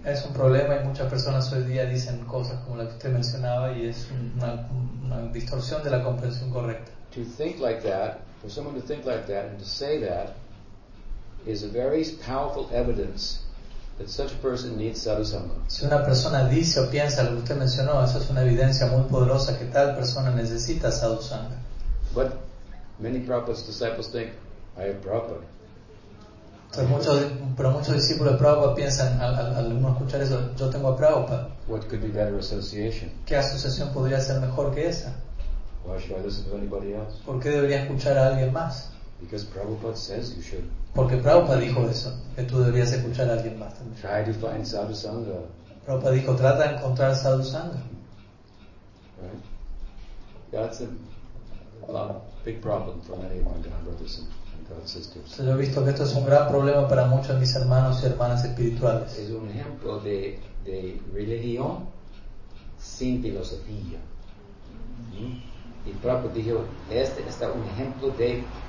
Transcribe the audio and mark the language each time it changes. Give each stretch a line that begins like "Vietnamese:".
Spanish: Es un problema y muchas personas hoy día dicen cosas como la que usted mencionaba y es una distorsión de la comprensión correcta.
English: To think like that, for someone to think like that and to say that, is a very powerful evidence that such a person needs sadhu sangha.
Spanish: Si una persona dice o piensa lo que usted mencionó, eso es una evidencia muy poderosa que tal persona necesita sadhu sangha.
English: But many Prabhupada's disciples think, I have Prabhupada.
Spanish: Pero muchos discípulos de Prabhupada piensan, al uno escuchar eso, yo tengo a Prabhupada.
English: What could be better association?
Spanish: ¿Qué asociación podría ser mejor que esa?
English: Why should I listen to anybody else?
Spanish: ¿Por qué debería escuchar a alguien más?
English: Because Prabhupada says you should.
Spanish: Porque Prabhupada dijo eso, que tú deberías escuchar a alguien más también.
English: Try to find sadhu sangha.
Spanish: Prabhupada dijo, trata de encontrar sadhu sangha.
English: Right? That's a big problem for many of my God brothers and God sisters.
Spanish: Yo he visto que esto es un gran problema para muchos de mis hermanos y hermanas espirituales. Es un ejemplo de religión sin filosofía. Y Prabhupada dijo, este está un ejemplo de